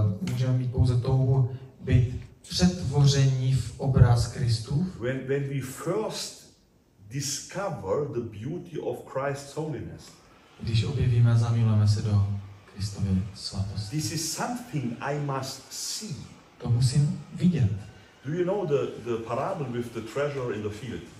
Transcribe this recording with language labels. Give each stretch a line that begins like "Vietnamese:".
Czech: Můžeme mít pouze touhu být přetvoření v obraz Kristův.
English: When we first discover the beauty of Christ's holiness.
Czech: Když objevíme a zamilujeme se do Kristovy svatosti.
English: This is something I must see.
Czech: To musím vidět.
English: Do you know the parable with the treasure in the field?